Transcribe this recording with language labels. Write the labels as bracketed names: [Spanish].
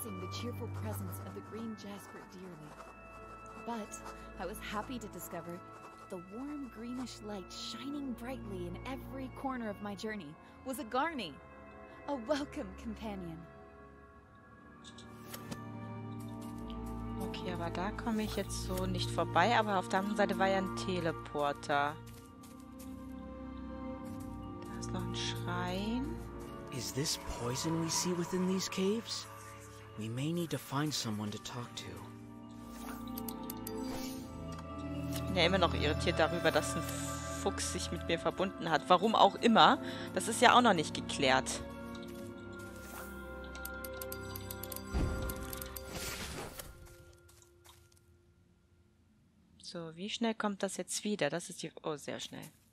[English] Cheerful presence of the green jasper dearly. But I was happy to discover the warm greenish light shining brightly in every corner of my journey was a Garni, a welcome companion. [German] Okay, aber da komme ich jetzt so nicht vorbei, aber auf der anderen Seite war ja ein Teleporter. Da ist noch ein Schrein. [English] Is this poison we see within these caves? We may need to find someone to talk to. [German] Ich bin ja immer noch irritiert darüber, dass ein Fuchs sich mit mir verbunden hat. Warum auch immer. Das ist ja auch noch nicht geklärt. So, wie schnell kommt das jetzt wieder? Das ist die... Oh, sehr schnell.